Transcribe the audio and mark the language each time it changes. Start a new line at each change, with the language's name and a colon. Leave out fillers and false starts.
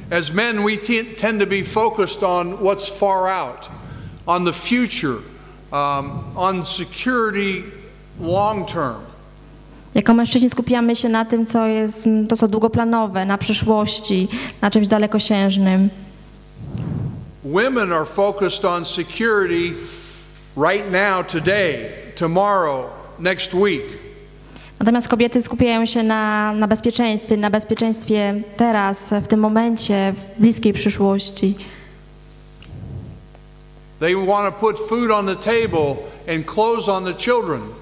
English: As men, we tend to be focused on what's far out, on the future, on security long term.
Polish: Jako mężczyźni skupiamy się na tym, co jest to, co długoplanowe, na przyszłości, na czymś dalekosiężnym.
English: Women are focused on security right now, today, tomorrow, next week.
Polish: Natomiast kobiety skupiają się na bezpieczeństwie teraz, w tym momencie, w bliskiej przyszłości.
English: They want to put food on the table and clothes on the children.